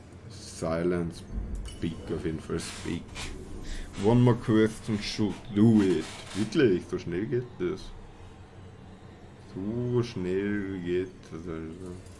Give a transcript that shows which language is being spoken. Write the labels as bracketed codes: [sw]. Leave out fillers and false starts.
[en] Silence, speak, [de] auf jeden Fall [en] speak. One more question, should do it. [de] Wirklich, so schnell geht das. So schnell geht das also.